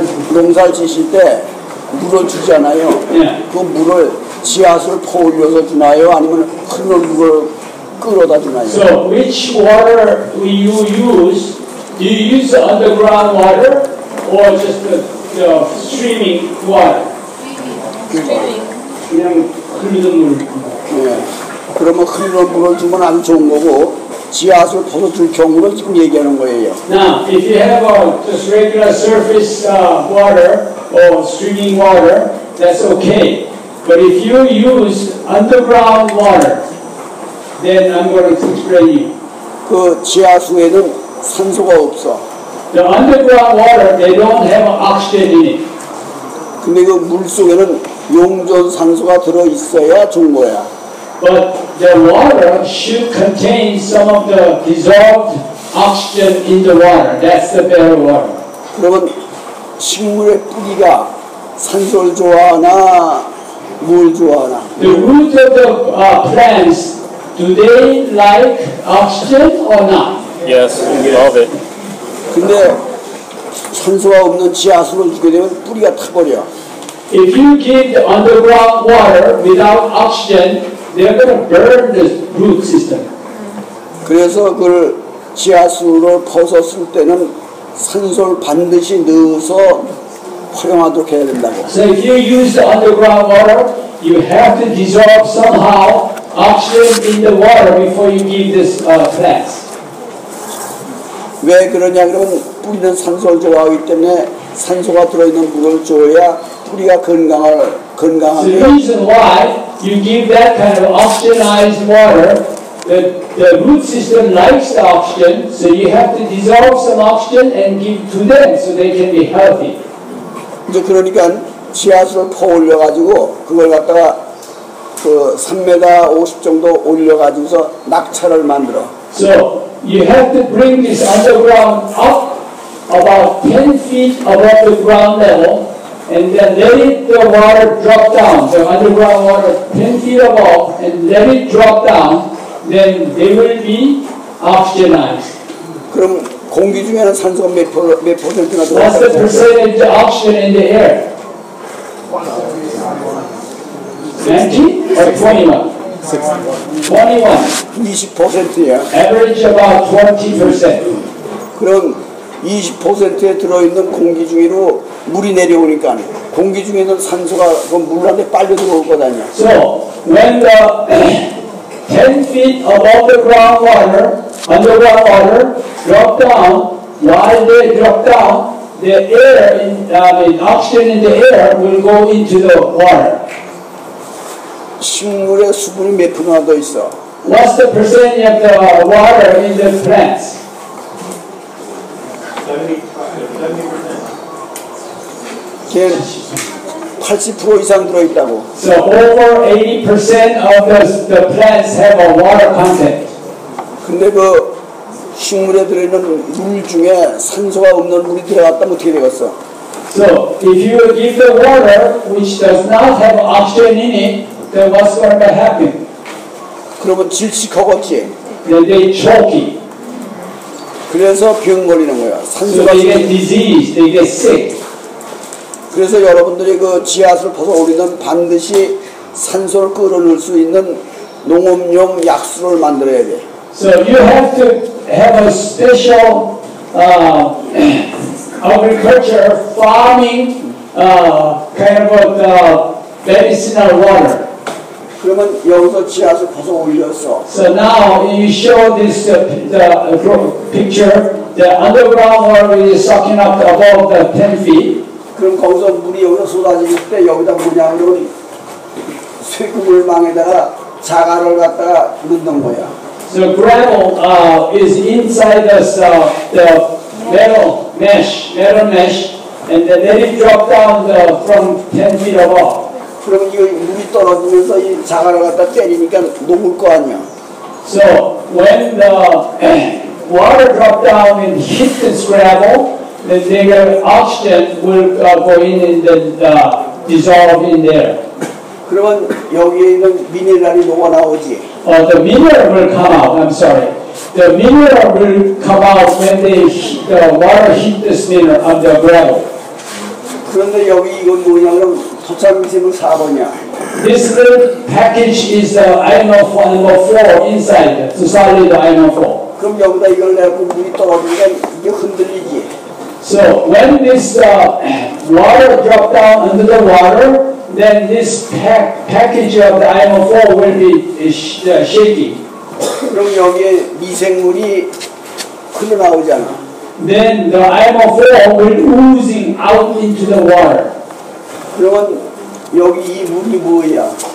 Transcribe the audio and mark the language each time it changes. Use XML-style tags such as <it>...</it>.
<ko>농사 지실 때 물을 주잖아요.</ko> <en>Yeah.</en> <ko>그 물을 지하수를 퍼올려서 주나요? 아니면 흐르는 물을 끌어다 주나요?</ko> <en>So which water do you use? Do you use the underground water or just the streaming water? Streaming.</en> <ko>그냥 흐르는 물. 그러면 흐르는 물을 주면 안 좋은 거고 지하수를 퍼서줄 경우를 지금 얘기하는 거예요.</ko> <en>Now, if you have a just regular surface water or streaming water, that's okay. But if you use underground water, then I'm going to explain you.</en> <ko>그 지하수에는 산소가 없어.</ko> <en>The underground water, they don't have oxygen in it.</en> <ko>근데 그 물 속에는 용존 산소가 들어 있어야 좋은 거야.</ko> <en>But the water should contain some of the dissolved oxygen in the water. That's the better water.</en> <ko>그러면 식물의 뿌리가 산소를 좋아하나 물 좋아하나?</ko> <en>The root of the plants, do they like oxygen or not? Yes, we love it.</en> <ko>근데 산소가 없는 지하수를 주게 되면 뿌리가 타버려.</ko> <en>If you give the underground water without oxygen, they're going to burn the root system.</en> <ko>그래서 그걸 지하수를 벗었을 때는 산소를 반드시 넣어서 활용하도록 해야 된다고.</ko> <en>So if you use the underground water, you have to dissolve somehow oxygen in the water before you give this plants.</en> <ko>왜 그러냐 그러면 뿌리는 산소를 좋아하기 때문에 산소가 들어있는 물을 줘야 뿌리가 건강하게.</ko> <en>The reason why you give that kind of oxygenized water, the root system likes the oxygen, so you have to dissolve some oxygen and give to them so they can be healthy.</en> <ko>이제 그러니까 지하수를 퍼 올려가지고 그걸 갖다가 그 3m 50 정도 올려가지고서 낙차를 만들어.</ko> <en>So you have to bring this underground up about 10 feet above the ground level, and then let it the water drop down. The underground water 10 feet above, and let it drop down. Then they will be oxygenized.</en> <ko>그럼 공기 중에는 산소가 몇 퍼센트나 들어가?</ko> <en>What's the percentage of oxygen in the air? 20 or 21? 21.</en> <ko>20%야.</ko> <en>Average about 20%.</en> <ko>그럼 20%에 들어있는 공기 중으로 물이 내려오니까 공기 중에는 산소가 그 물한테 빨려 들어올 거 아니야.</ko> <en>So when the 10 feet above the ground water, underground water, drop down, while they drop down, the air, oxygen in the air will go into the water.</en> <ko>식물의 수분이 몇 프로나 더 있어?</ko> <en>What's the percentage of the water in the plants?</en> <ko>80% 이상 들어 있다고.</ko> <en>So over 80% of the plants have a water content.</en> <ko>근데 그 식물에 들어 있는 물 중에 산소가 없는 물이 들어갔다면 어떻게 되겠어?</ko> <en>So if you give the water which does not have oxygen in it, then what's going to happen?</en> <ko>그러면 질식하겠지.</ko> <en>Then they choke.</en> <ko>그래서 병 걸리는 거야. 산소가</ko> <en>so they get disease. They get sick.</en> <ko>그래서 여러분들이 그 지하수를 퍼서 우리는 반드시 산소를 끌어낼 수 있는 농업용 약수를 만들어야 돼.</ko> <en>So you have to have a special agriculture farming kind of a medicinal water.</en> <ko>그러면 여기서 지하수를 퍼서 올렸어.</ko> <en>So now you show this the picture. The underground water is sucking up above the 10 feet.</en> <ko>그럼 거기서 물이 여기서 쏟아지실 때 여기다 뭐냐 하면 쇠구멍에다가 자갈을 갖다가 넣는 거야.</ko> <en>So gravel is inside the metal mesh, and then let it drop down from 10 feet above.</en> <ko>그럼 이 물이 떨어지면서 이 자갈을 갖다 때리니까 녹을 거 아니야.</ko> <en>So when the water drop down and hit this gravel, the bigger oxygen will go in and then dissolve in there.</en> <ko>그러면 여기에 있는 미네랄이 녹아 나오지?</ko> <en>The mineral will come out. I'm sorry. The mineral will come out when the water hit this mineral of the gravel.</en> <ko>그런데 여기 이건 뭐냐면 토착미생물 4번이야.</ko> <en>This little package is the animal 4 inside. To solid the animal 4.</en> <ko>그럼 여기다 이걸 내고 물이 떨어지면 이게 흔들리지?</ko> <en>So when this water drop down under the water, then this package of the IMO4 will be shaking.</en> <ko>그럼 여기에 미생물이 흘러나오잖아.</ko> <en>Then the IMO4 will oozing out into the water.</en> <ko>그러면 여기 이 물이 뭐야?</ko>